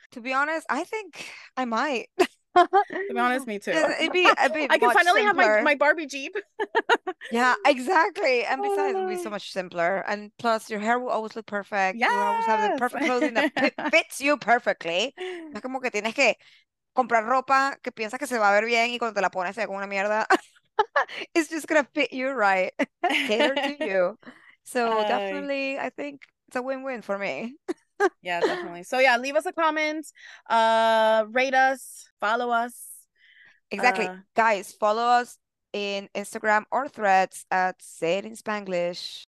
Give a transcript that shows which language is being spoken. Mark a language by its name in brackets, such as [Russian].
[English] To be honest, I think I might. To be honest, me too. It'd be I can finally simpler. Have my Barbie Jeep. Yeah, exactly. And besides, it'd be so much simpler. And plus, your hair will always look perfect. Yes! You always have the perfect clothing that fits you perfectly. [Spanish] Es como que tienes que comprar ropa que piensas que se va a ver bien y cuando te la pones se ve como una mierda. [English] It's just gonna fit you right. Cater to you. So definitely, I think it's a win-win for me. Yeah, definitely. So yeah, leave us a comment. Rate us. Follow us. Exactly. Guys, follow us in Instagram or Threads at Say It in Spanglish.